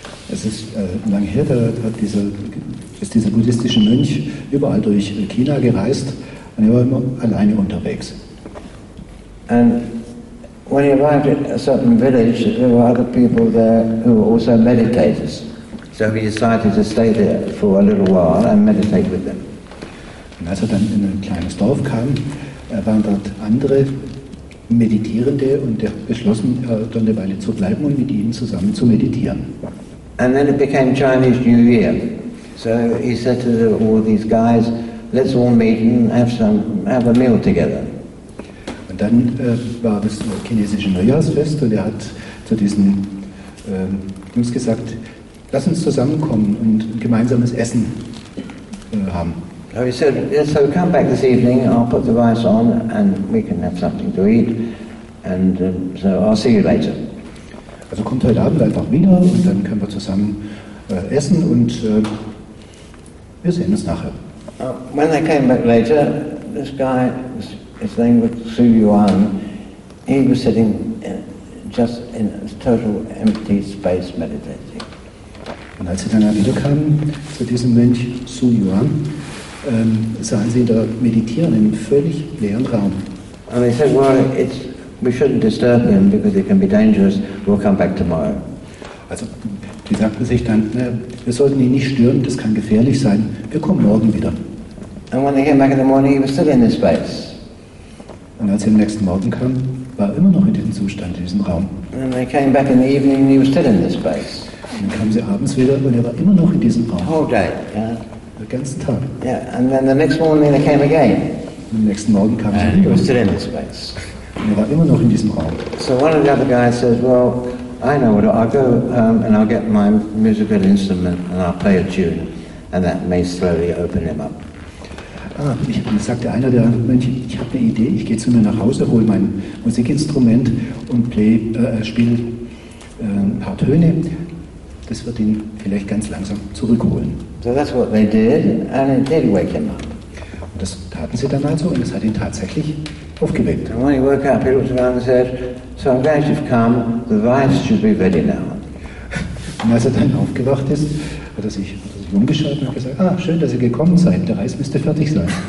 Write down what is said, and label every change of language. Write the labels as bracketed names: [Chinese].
[German] Es ist lange her, dieser buddhistische Mönch überall durch China gereist und er war immer alleine unterwegs. [English] And when he arrived at a certain village, there were other people there who were also meditators. So he decided to stay there for a little while and meditate with them. [German] Und als er dann in ein kleines Dorf kam, waren dort andere Meditierende und er beschloss, dort eine Weile zu bleiben und mit ihnen zusammen zu meditieren. [English] And then it became Chinese New Year. So he said to all these guys, let's all meet and have a meal together. [German] Und dann war das chinesische Neujahrsfest und er hat zu diesen Jungs gesagt, lass uns zusammenkommen und gemeinsames Essen haben. [English] So he said, yeah, so come back this evening, I'll put the rice on and we can have something to eat. And so I'll see you later. [German] Also kommt heute Abend einfach wieder und dann können wir zusammen essen und wir sehen uns nachher. [English] When they came back later, this guy, his name was Su Yuan, he was sitting just in a total empty space meditating. [German] Und als sie dann wieder kamen zu diesem Mönch Su Yuan, sahen sie ihn da meditieren in einem völlig leeren Raum. [English] And they said, well, we shouldn't disturb him because it can be dangerous. We'll come back tomorrow. [German] Also, die sagten sich dann, wir sollten ihn nicht stören. Das kann gefährlich sein. Wir kommen morgen wieder. [English] And when they came back in the morning, he was still in this space. [German] Und als sie am nächsten Morgen kamen, war er immer noch in diesem Zustand, in diesem Raum. [English] And they came back in the evening, and he was still in this space. [German] Und dann kamen sie abends wieder und er war immer noch in diesem Raum. [English] All day, [German] den ganzen Tag. [English] Yeah, and then the next morning they came again. [German] Und am nächsten Morgen kam sie wieder. [English] He was still in this space. [German] Und er war immer noch in diesem Raum. [English] So one of the other guys says, well, I know what, I'll go home and I'll get my musical instrument and I'll play a tune and that may slowly open him up. [German] Sagte einer der anderen Mönche, ich habe eine Idee, ich gehe zu mir nach Hause, hole mein Musikinstrument und spiele ein paar Töne. Das wird ihn vielleicht ganz langsam zurückholen. [English] So that's what they did, and it did wake him up. [German] Und das taten sie dann also, und es hat ihn tatsächlich aufgeweckt. [English] And when he woke up, he looked around and said, so I'm glad you've come, the rice should be ready now. [German] Und als er dann aufgewacht ist, hat er sich umgeschaut und gesagt, ah, schön, dass ihr gekommen seid, der Reis müsste fertig sein.